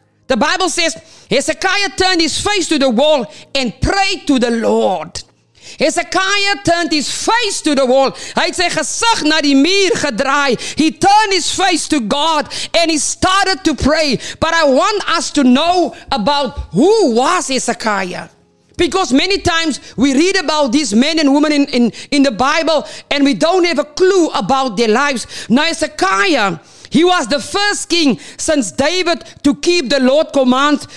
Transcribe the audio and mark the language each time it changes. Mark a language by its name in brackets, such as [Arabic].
[English] The Bible says, Hezekiah turned his face to the wall and prayed to the Lord. Hezekiah turned his face to the wall. [Afrikaans] Hy het sy gesig na die muur gedraai. [English] He turned his face to God and he started to pray. But I want us to know about who was Hezekiah. Because many times we read about these men and women in the Bible and we don't have a clue about their lives. Now Hezekiah, he was the first king since David to keep the Lord's commands.